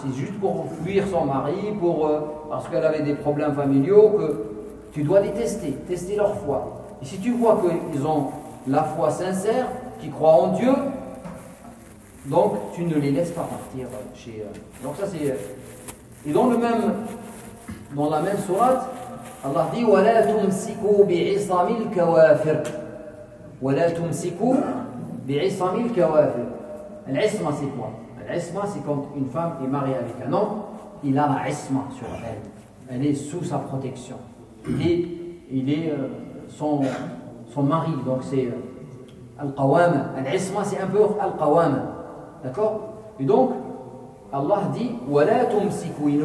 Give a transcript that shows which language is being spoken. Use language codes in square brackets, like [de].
[fr] C'est juste pour fuir son mari, parce qu'elle avait des problèmes familiaux, que tu dois les tester, tester leur foi. Et si tu vois qu'ils ont la foi sincère, qu'ils croient en Dieu, donc tu ne les laisses pas partir chez eux. Donc ça c'est... Et dans la même sourate, Allah dit [ar] « وَلَا تُمْسِكُوا بِعِصَمِ الْكَوَافِرِ » وَلَا تُمْسِكُوا بِعِصَمِ الْكَوَافِرِ. [fr] L'isma c'est quoi? L'isma c'est quand une femme est mariée avec un homme, il a la isma sur elle. Elle est sous sa protection. Et il est son mari, donc c'est Al-Qawama. Al-Isma c'est un peu Al-Qawama. D'accord? Et donc, Allah dit [ar] وَلَا تُمْسِكُوا.